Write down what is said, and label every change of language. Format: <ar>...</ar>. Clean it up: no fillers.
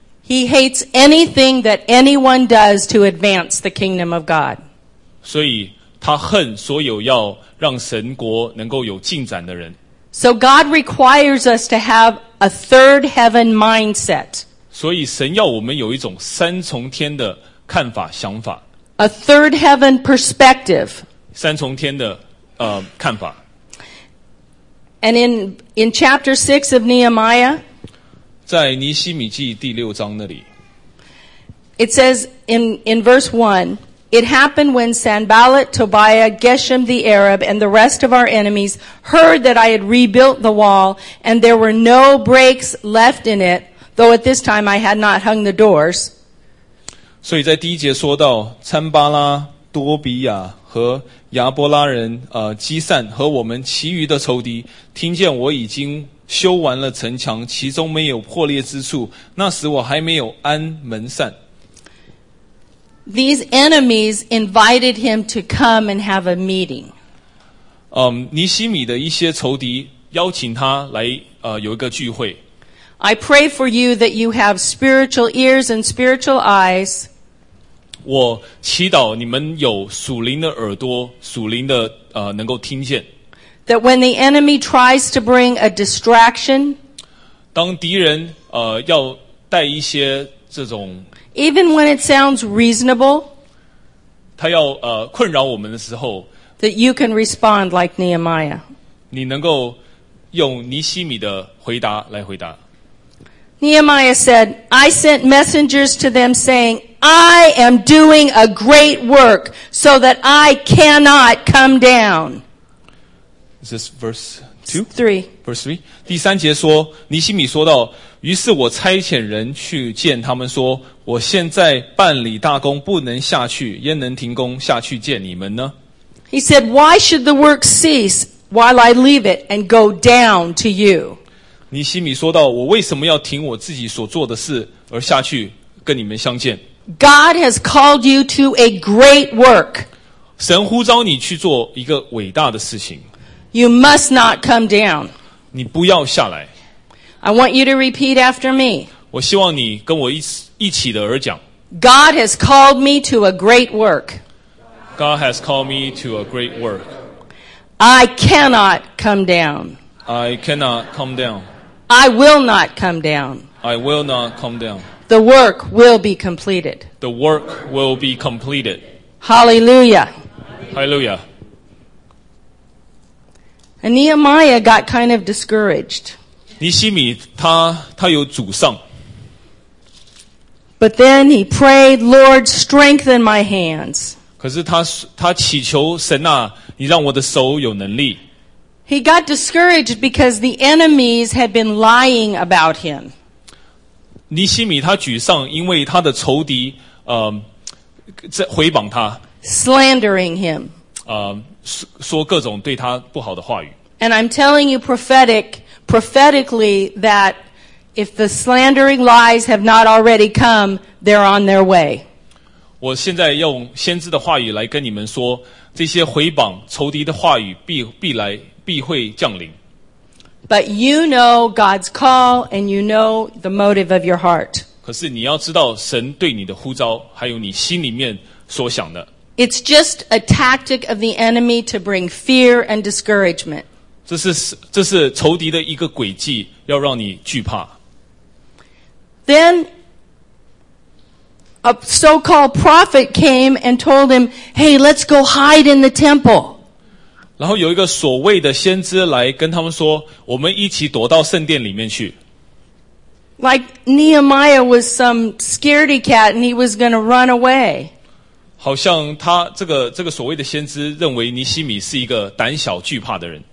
<en>He hates anything that anyone does to advance the kingdom of God.</en> <zh>所以他恨所有要让神国能够有进展的人。</zh> <en>So God requires us to have a third heaven mindset.</en> <zh>所以神要我们有一种三重天的看法想法。</zh> <en>A third heaven perspective.</en> <zh>三重天的看法。</zh> <en>And in chapter 6 of Nehemiah.</en> <zh>在尼希米记第六章那里。</zh> <en>It says in verse 1. It happened when Sanballat, Tobiah, Geshem the Arab, and the rest of our enemies heard that I had rebuilt the wall, and there were no breaks left in it, though at this time I had not hung the doors.</en> <zh>所以在第一节说到，参巴拉、多比亚和亚波拉人、基善和我们其余的仇敌听见我已经修完了城墙，其中没有破裂之处，那时我还没有安门扇。</zh> <en>These enemies invited him to come and have a meeting.</en> <zh>尼希米的一些仇敌邀请他来有一个聚会。</zh> <en>I pray for you that you have spiritual ears and spiritual eyes.</en> <zh>我祈祷你们有属灵的耳朵，属灵的能够听见。</zh> <en>That when the enemy tries to bring a distraction,</en> <zh>当敌人要带一些这种</zh> <en>even when it sounds reasonable,</en> <zh>他要困扰我们的时候</zh> <en>that you can respond like Nehemiah.</en> <zh>你能够用尼希米的回答来回答。</zh> <en>Nehemiah said, I sent messengers to them saying, I am doing a great work so that I cannot come down. Is this verse 2? Three. Verse 3.</en> <zh>第三节说，尼希米说道，于是我差遣人去见他们说，我现在办理大功，不能下去，焉能停工下去见你们呢？</zh> <en>He said, why should the work cease while I leave it and go down to you?</en> <zh>尼希米说道，我为什么要停我自己所做的事而下去跟你们相见？</zh> <en>God has called you to a great work.</en> <zh>神呼召你去做一个伟大的事情。</zh> <en>You must not come down.</en> <zh>你不要下来。</zh> <en>I want you to repeat after me.</en> <zh>我希望你跟我一起的而讲。</zh> <en>God has called me to a great work. God has called me to a great work. I cannot come down. I cannot come down. I will not come down. I will not come down. The work will be completed. The work will be completed. Hallelujah. Hallelujah. And Nehemiah got kind of discouraged.</en> <zh>尼希米他有沮丧。</zh> <en>But then he prayed, Lord, strengthen my hands.</en> <zh>可是他祈求神啊，你让我的手有能力。</zh> <en>He got discouraged because the enemies had been lying about him.</en> <zh>尼希米他沮丧，因为他的仇敌，在毁谤他</zh> <en>，slandering him.</en> <zh>说各种对他不好的话语。</zh> <en>And I'm telling you prophetically that if the slandering lies have not already come, they're on their way.</en> <zh>我现在用先知的话语来跟你们说，这些毁谤仇敌的话语必来。必会降临。</zh> <en>But you know God's call and you know the motive of your heart.</en> <zh>可是你要知道神对你的呼召还有你心里面所想的。</zh> <en>It's just a tactic of the enemy to bring fear and discouragement.</en> <zh>这是仇敌的一个诡计要让你惧怕。</zh> <en>Then a so-called prophet came and told him, hey, let's go hide in the temple.</en> <zh>然后有一个所谓的先知来跟他们说，我们一起躲到圣殿里面去。</zh> <en>Like Nehemiah was some scaredy cat and he was going to run away.</en> <zh>好像他这个所谓的先知认为尼希米是一个胆小惧怕的人。</zh>